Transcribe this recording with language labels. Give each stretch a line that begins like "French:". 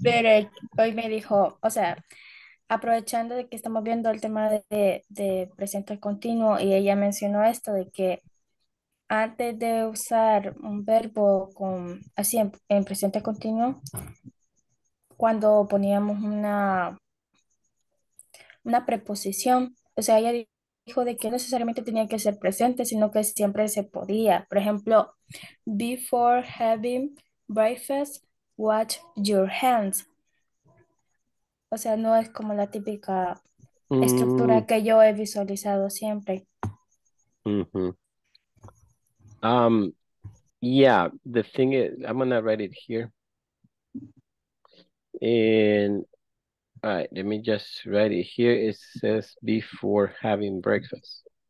Spanish: Pero hoy me dijo, o sea, aprovechando de que estamos viendo el tema de presente continuo, y ella mencionó esto de que antes de usar un verbo con, así en presente continuo, cuando poníamos una preposición, o sea, ella dijo de que no necesariamente tenía que ser presente, sino que siempre se podía. Por ejemplo,
English: before having breakfast, wash your hands.
Spanish: O sea, no es como la típica estructura que yo he visualizado siempre. Mm-hmm.
English: Yeah, the thing is, I'm gonna write it here. And all right, let me just write it here. It says before having breakfast.